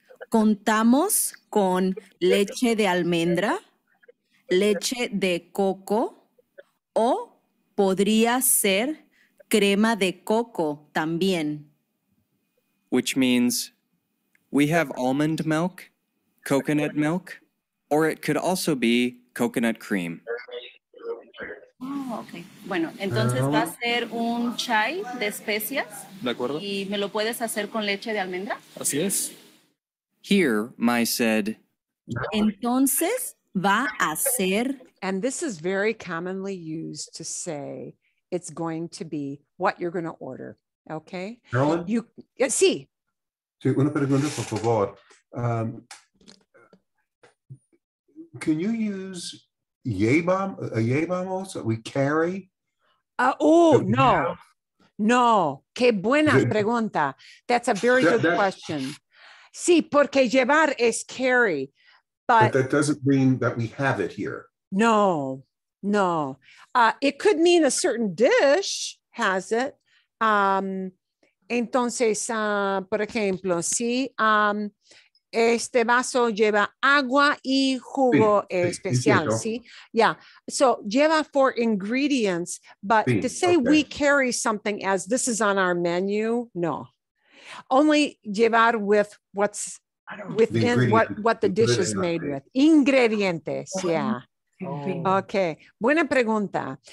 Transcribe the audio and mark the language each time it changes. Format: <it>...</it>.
<es>contamos con leche de almendra, leche de coco, o podría ser crema de coco también.</es> <en>Which means we have almond milk, coconut milk, or it could also be coconut cream. Oh, okay.</en> <es>Bueno, entonces va a ser un chai de especias. De acuerdo. ¿Y me lo puedes hacer con leche de almendra? Así es.</es> <en>Here, Mai said,</en> <es>entonces va a ser.</es> <en>And this is very commonly used to say it's going to be what you're going to order. Okay? Carolyn?</en> <es>Sí. Sí, una pregunta, por favor.</es> <en>Can you use llevamos, we carry?</en> <es>No. No. Qué buena pregunta.</es> <en>That's a very good question.</en> <es>Sí, porque llevar es</es> <en>carry. But that doesn't mean that we have it here.</en> <es>No. No.</es> <en>It could mean a certain dish has it.</en> <es>Entonces, por ejemplo, sí. Este vaso lleva agua y jugo especial, sí.</es> <en>Yeah, so lleva for ingredients, but to say okay. We carry something as this is on our menu, no. Only llevar with what's within what the dish is made with.</en> <es>Ingredientes, yeah. Oh. Okay, buena pregunta.</es>